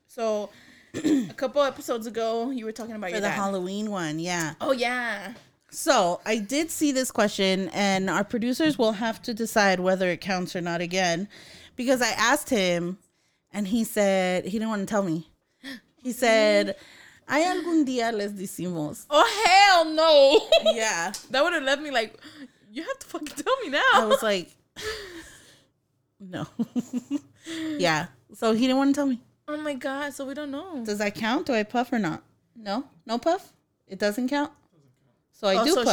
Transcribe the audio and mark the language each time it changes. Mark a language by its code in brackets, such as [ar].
[en] So a couple episodes ago, you were talking about your dad. For the Halloween one, yeah. Oh, yeah. So I did see this question, and our producers will have to decide whether it counts or not again. Because I asked him, and he said, he didn't want to tell me. He said, [es] hay algún día les decimos. [en] Oh, hell no. Yeah. That would have left me like, you have to fucking tell me now. I was like, no. Yeah. So he didn't want to tell me. Oh, my God. So we don't know. Does that count? Do I puff or not? No. No puff? It doesn't count? So I do so puff.